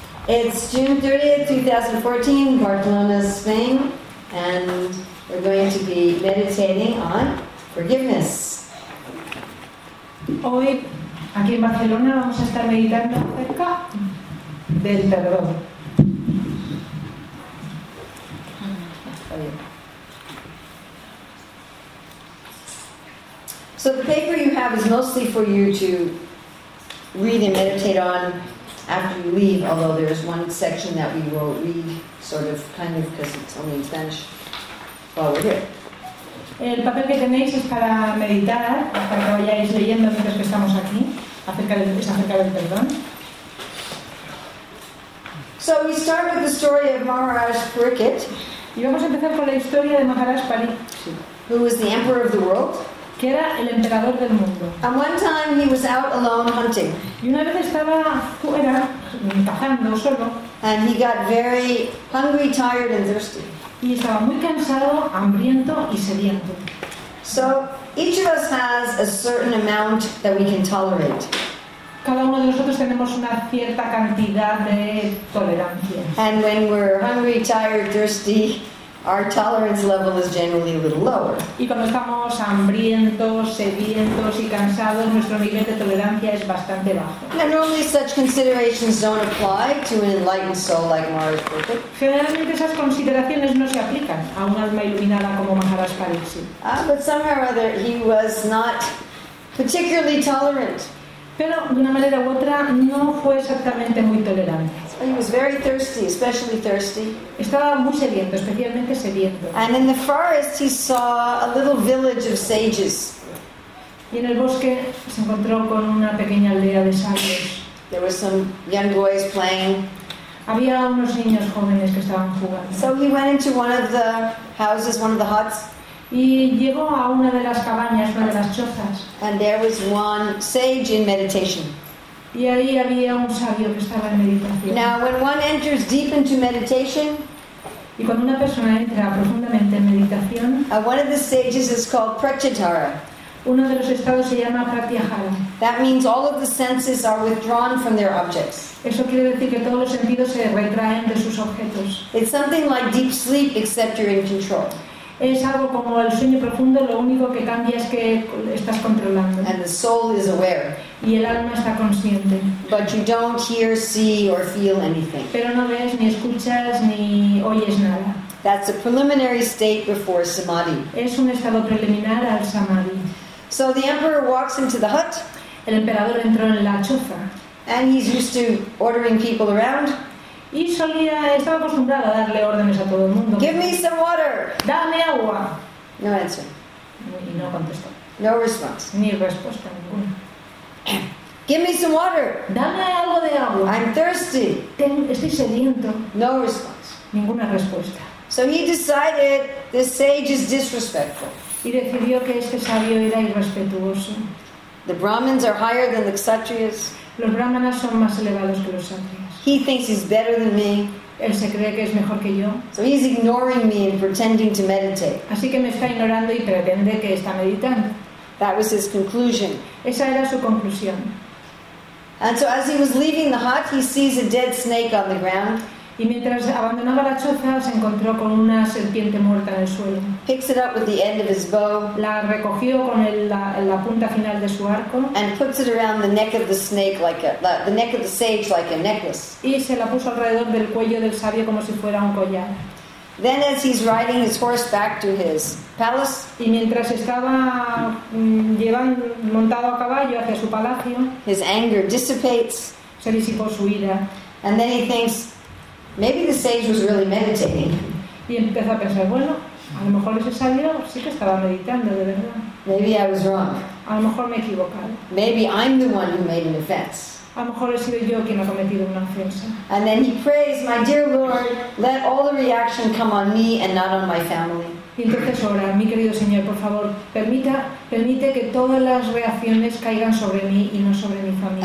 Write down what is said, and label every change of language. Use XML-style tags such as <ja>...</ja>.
<en>It's June 30th, 2014, Barcelona, Spain, and we're going to be meditating on forgiveness.</en> <es>Hoy, aquí en Barcelona, vamos a estar meditando acerca del perdón.</es> <en>So the paper you have is mostly for you to read and meditate on after you leave, although there's one section that we will read sort of, kind of, because it's only in Spanish while we're here.</en> <es>El papel que tenéis es para meditar, hasta que vayáis leyendo mientras que estamos aquí, acerca del perdón.</es> <en>So we start with the story of Maharaj Parikit.</en> <es>Y vamos a empezar con la historia de Maharaj Parikit.</es> <en>Who was the emperor of the world.</en> <es>Que era el emperador del mundo.</es> <en>And one time he was out alone hunting.</en> <es>Y una vez estaba fuera, cazando solo.</es> <en>And he got very hungry, tired and thirsty.</en> <es>Y estaba muy cansado, hambriento y sediento.</es> <en>So each of us has a certain amount that we can tolerate.</en> <es>Cada uno de nosotros tenemos una cierta cantidad de tolerancia.</es> <en>And when we're hungry, tired, thirsty, our tolerance level is generally a little lower.</en> <es>Y cuando estamos hambrientos, sedientos y cansados, nuestro nivel de tolerancia es bastante bajo.</es> <en>Now, normally such considerations don't apply to an enlightened soul like Maharaj Parikit.</en> <es>Generalmente esas consideraciones no se aplican a un alma iluminada como Maharaj Parikit.</es> <en>But somehow or other, he was not particularly tolerant.</en> <es>Pero de una manera u otra no fue exactamente muy tolerante.</es> <en>He was very thirsty, especially thirsty.</en> <es>Estaba muy sediento, especialmente sediento.</es> <en>And in the forest he saw a little village of sages.</en> <es>Y en el bosque se encontró con una pequeña aldea de sabios.</es> <en>There were some young boys playing.</en> <es>Había unos niños jóvenes que estaban jugando.</es> <en>So he went into one of the houses, one of the huts.</en> <es>Y llegó a una de las cabañas, una de las chozas.</es> <en>And there was one sage in meditation.</en> <es>Y ahí había un sabio que estaba en meditación.</es> <en>Now, when one enters deep into meditation,</en> <es>y cuando una persona entra profundamente en meditación,</es> <en>one of the stages is called Pratyahara.</en> <es>Uno de los estados se llama Pratyahara.</es> <en>That means all of the senses are withdrawn from their objects.</en> <es>Eso quiere decir que todos los sentidos se retraen de sus objetos.</es> <en>It's something like deep sleep, except you're in control.</en> <es>Es algo como el sueño profundo, lo único que cambia es que estás controlando.</es> <en>And the soul is aware.</en> <es>Y el alma está consciente.</es> <en>But you don't hear, see, or feel anything.</en> <es>Pero no ves, ni escuchas, ni oyes nada.</es> <en>That's a preliminary state before samadhi.</en> <es>Es un estado preliminar al samadhi.</es> <en>So the emperor walks into the hut.</en> <es>El emperador entró en la choza.</es> <en>And he's used to ordering people around.</en> <es>Y solía, estaba acostumbrado a darle órdenes a todo el mundo.</es> <en>Give me some water.</en> <es>Dame agua.</es> <en>No answer.</en> <es>Y no contestó.</es> <en>No response.</en> <es>Ni respuesta ninguna.</es> <en>Give me some water.</en> <es>Dame algo de agua.</es> <en>I'm thirsty.</en> <es>Estoy sediento.</es> <en>No response.</en> <es>Ninguna respuesta.</es> <en>So he decided this sage is disrespectful.</en> <es>Y decidió que este sabio era irrespetuoso.</es> <en>The Brahmins are higher than the Kshatriyas.</en> <es>Los brahmanas son más elevados que los Kshatriyas.</es> <en>He thinks he's better than me.</en> <es>Él se cree que es mejor que yo.</es> <en>So he's ignoring me and pretending to meditate.</en> <es>Así que me está ignorando y pretende que está meditando.</es> <en>That was his conclusion.</en> <es>Esa era su conclusión.</es> <en>And so as he was leaving the hut, he sees a dead snake on the ground.</en> <es>Y mientras abandonaba la choza, se encontró con una serpiente muerta en el suelo.</es> <en>Picks it up with the end of his bow.</en> <es>La recogió con la punta final de su arco.</es> <en>And puts it around the neck of the snake like the neck of the sage like a necklace.</en> <es>Y se la puso alrededor del cuello del sabio como si fuera un collar.</es> <en>Then as he's riding his horse back to his palace.</en> <es>Y mientras estaba montado a caballo hacia su palacio.</es> <en>His anger dissipates.</en> <es>Se disipó su ira.</es> <en>And then he thinks, maybe the sage was really meditating.</en> <es>Y empezó a pensar, bueno, a lo mejor ese sabio sí que estaba meditando, de verdad.</es> <en>Maybe I was wrong.</en> <es>A lo mejor me he equivocado.</es> <en>Maybe I'm the one who made an offense.</en> <es>A lo mejor he sido yo quien ha cometido una ofensa.</es> <en>And then he prays, my dear Lord, let all the reaction come on me and not on my family.</en> <es>Y entonces ora, mi querido Señor, por favor, permite que todas las reacciones caigan sobre mí y no sobre mi familia.</es>